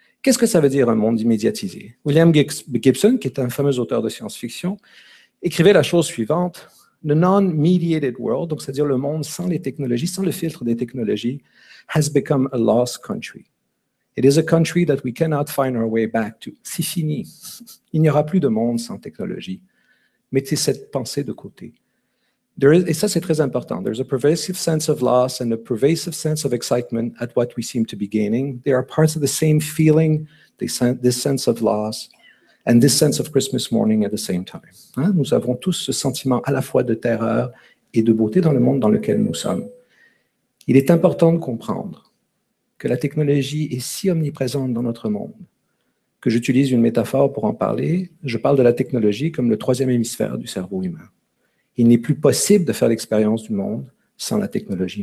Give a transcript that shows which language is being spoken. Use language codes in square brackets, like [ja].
[fr] Qu'est-ce que ça veut dire un monde médiatisé? William Gibson, qui est un fameux auteur de science-fiction, écrivait la chose suivante, « [en] The non-mediated world, [fr] donc c'est-à-dire le monde sans les technologies, sans le filtre des technologies, [en] has become a lost country. It is a country that we cannot find our way back to. » [fr] C'est fini. Il n'y aura plus de monde sans technologie. Mettez cette pensée de côté. Et ça, c'est très important. [en] There's a pervasive sense of loss and a pervasive sense of excitement at what we seem to be gaining. They are parts of the same feeling, this sense of loss, and this sense of Christmas morning at the same time. Hein? [fr] Nous avons tous ce sentiment à la fois de terreur et de beauté dans le monde dans lequel nous sommes. Il est important de comprendre que la technologie est si omniprésente dans notre monde que j'utilise une métaphore pour en parler. Je parle de la technologie comme le troisième hémisphère du cerveau humain. Il n'est plus possible de faire l'expérience du monde sans la technologie.